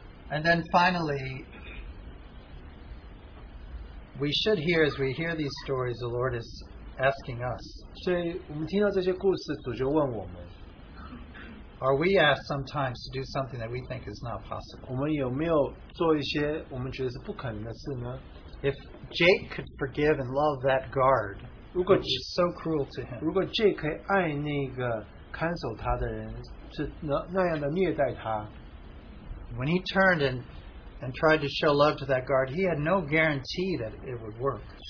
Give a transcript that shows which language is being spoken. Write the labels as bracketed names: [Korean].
[English] And then finally, we should hear, as we hear these stories, the Lord is asking us. [Chinese] 所以我们听到这些故事，主就问我们， [English] are we asked sometimes to do something that we think is not possible? [Chinese] 我们有没有做一些我们觉得是不可能的事呢？ [English] If Jake could forgive and love that guard, which is so cruel to him, [Chinese] 如果Jake可以爱那个看守他的人，是那样的虐待他， [English] when he turned and tried to show love to that guard, he had no guarantee that it would work.